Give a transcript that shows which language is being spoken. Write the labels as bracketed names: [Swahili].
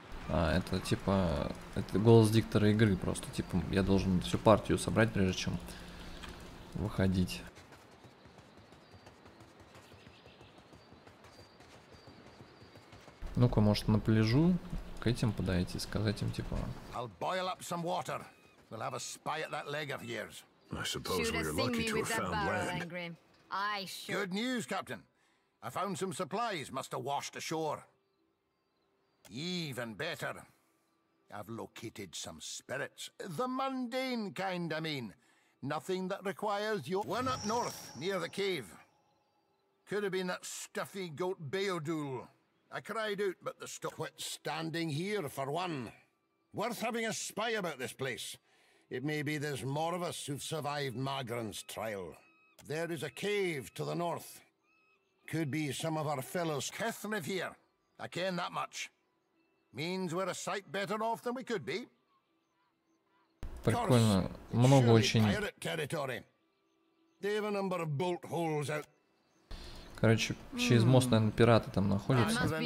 [Russian] А, это типа, это голос диктора игры просто, типа, я должен всю партию собрать, прежде чем выходить. Ну-ка, может, на пляжу к этим подойти, сказать им, типа... [English] I'll boil up some water. We'll have a spy at that leg of yours. I suppose we're lucky to have found land. I should. Good news, Captain. I found some supplies must have washed ashore. Even better. I've located some spirits. The mundane kind, I mean. Nothing that requires your... One up north, near the cave. Could have been that stuffy goat Beodul. I cried out, but the stuff... Quit standing here, for one. Worth having a spy about this place. It may be there's more of us who've survived Magran's trial. There is a cave to the north. Could be some of our fellows. Kithnif here. I ken that much. Means we're a sight better off than we could be. [Russian] Прикольно. Много очень. [English] Pirate territory. They have a number of bolt holes out. [Russian] Короче, через мост, наверное, пираты там находятся.